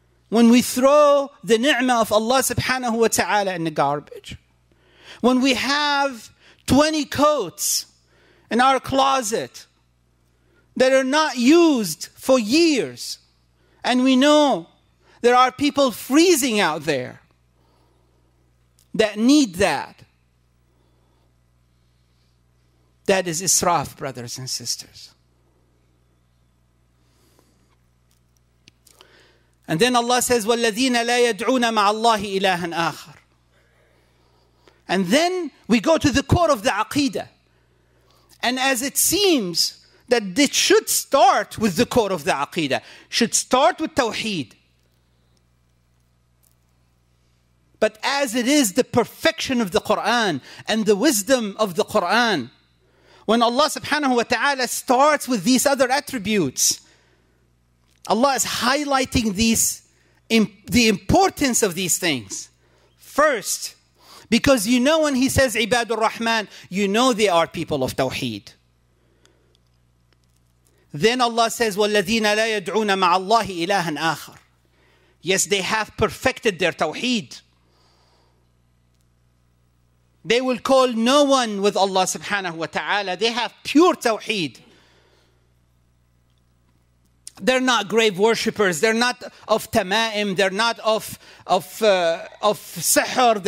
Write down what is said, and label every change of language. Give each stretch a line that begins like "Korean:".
English: When we throw the ni'mah of Allah subhanahu wa ta'ala in the garbage, when we have 20 coats in our closet that are not used for years, and we know there are people freezing out there that need that, that is israf, brothers and sisters. And then Allah says,
Arabic: وَالَّذِينَ لَا يَدْعُونَ مَعَ اللَّهِ إِلَٰهًا آخَرٍ.
English: And then we go to the core of the aqidah. And as it seems that this should start with the core of the aqidah, should start with tawheed. But as it is the perfection of the Qur'an and the wisdom of the Qur'an, when Allah subhanahu wa ta'ala starts with these other attributes, Allah is highlighting these the importance of these things. First, because you know when he says Ibad Ar-Rahman, you know they are people of Tawheed. Then Allah says,
Arabic: وَالَّذِينَ لَا يَدْعُونَ مَعَ اللَّهِ إِلَهًا آخَرٍ.
English: Yes, they have perfected their Tawheed. They will call no one with Allah subhanahu wa ta'ala. They have pure Tawheed. They're not grave worshippers. They're not of tamaim. They're not of sihr.